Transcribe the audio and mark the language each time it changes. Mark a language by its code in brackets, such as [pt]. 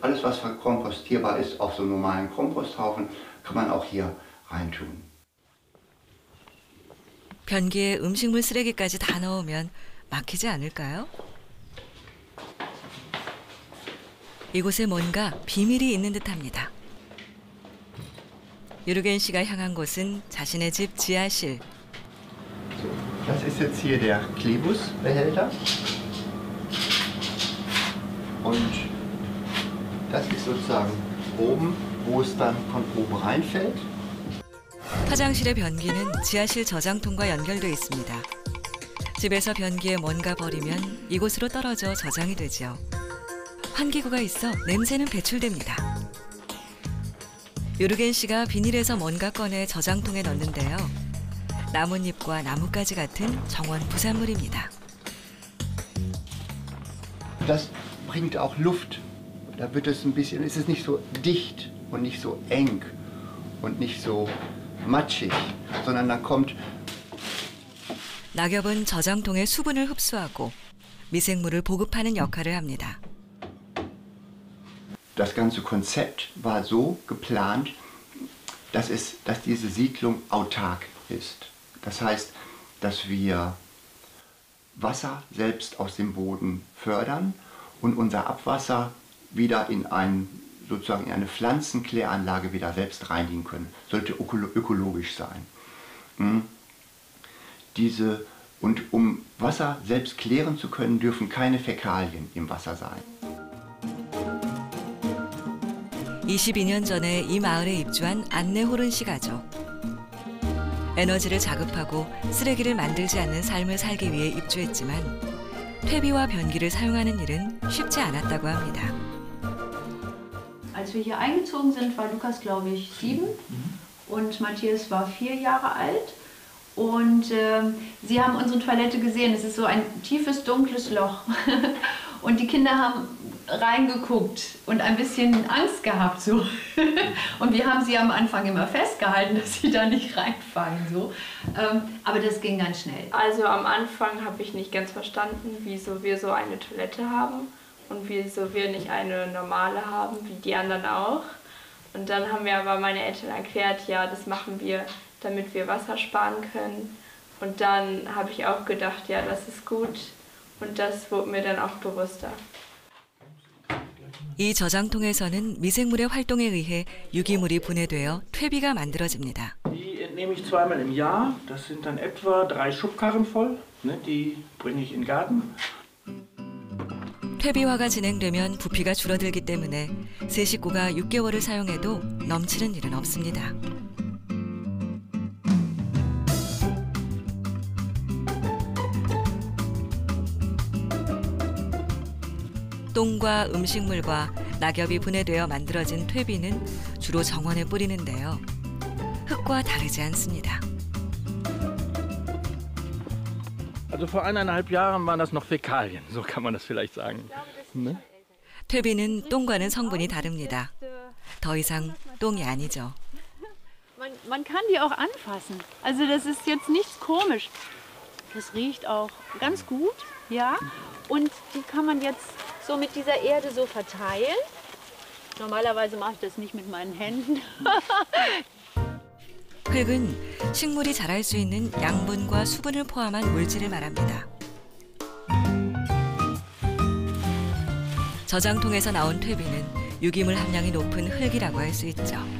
[de] Alles, was kompostierbar ist, auf so normalen Komposthaufen, kann man auch hier reintun. [ko] 변기에 음식물 쓰레기까지 다 넣으면 막히지 않을까요? 이곳에 뭔가 비밀이 있는 듯합니다. 유르겐 씨가 향한 곳은 자신의 집 지하실. [de] Das ist jetzt hier der Klebusbehälter. Und das ist sozusagen oben, wo es dann von oben reinfällt. [ko] 화장실의 변기는 지하실 저장통과 연결돼 있습니다. 집에서 변기에 뭔가 버리면 이곳으로 떨어져 저장이 되죠. 환기구가 있어 냄새는 배출됩니다. 유르겐 씨가 비닐에서 뭔가 꺼내 저장통에 넣는데요. 나뭇잎과 나뭇가지 같은 정원 부산물입니다. [de] Das bringt auch Luft. Da wird es ein bisschen, es ist nicht so dicht und nicht so eng und nicht so matschig, sondern dann kommt [ko] 낙엽은 저장통의 수분을 흡수하고 미생물을 보급하는 역할을 합니다. [de] Das ganze Konzept war so geplant, dass diese Siedlung autark ist. Das heißt, dass wir Wasser selbst aus dem Boden fördern und unser Abwasser wieder in ein, sozusagen in eine Pflanzenkläranlage wieder selbst reinigen können. Sollte ökologisch sein. Und um Wasser selbst klären zu können, dürfen keine Fäkalien im Wasser sein. [ko] 22년 전에 이 마을에 입주한 안내호른씨 가족. 에너지를 자급하고 쓰레기를 만들지 않는 삶을 살기 위해 입주했지만 퇴비와 변기를 사용하는 일은 쉽지 않았다고 합니다. [de] Als wir hier eingezogen sind, war Lukas glaube ich 7 und Matthias war 4 Jahre alt. Und sie haben unsere Toilette gesehen. Es ist so ein tiefes, dunkles Loch. Und die Kinder haben reingeguckt und ein bisschen Angst gehabt. So. Und wir haben sie am Anfang immer festgehalten, dass sie da nicht reinfallen. So. Aber das ging ganz schnell. Also am Anfang habe ich nicht ganz verstanden, wieso wir so eine Toilette haben und wieso wir nicht eine normale haben, wie die anderen auch. Und dann haben mir aber meine Eltern erklärt, ja, das machen wir, damit wir Wasser sparen können. Und dann habe ich auch gedacht, ja, das ist gut. Und das wurde mir dann auch bewusster. [ko] 이 저장통에서는 미생물의 활동에 의해 유기물이 분해되어 퇴비가 만들어집니다. [de] Die nehme ich zweimal im Jahr. Das sind dann etwa 3 Schubkarren voll. Die bringe ich in den Garten. [ko] 퇴비화가 진행되면 부피가 줄어들기 때문에 새 식구가 6개월을 사용해도 넘치는 일은 없습니다. 똥과 음식물과 낙엽이 분해되어 만들어진 퇴비는 주로 정원에 뿌리는데요. 흙과 다르지 않습니다. [de] Also vor eineinhalb Jahren waren das noch Fäkalien, so kann man das vielleicht sagen. [ko] 퇴비는 똥과는 성분이 다릅니다. 더 이상 똥이 아니죠. [de] Man kann die auch anfassen. Also das ist jetzt nichts komisch. Das riecht auch ganz gut, ja? Und die kann man jetzt so mit dieser Erde so verteilen. Normalerweise mache ich das nicht mit meinen Händen. [ko] 흙은 식물이 자랄 수 있는 양분과 수분을 포함한 물질을 말합니다. 저장통에서 나온 퇴비는 유기물 함량이 높은 흙이라고 할 수 있죠.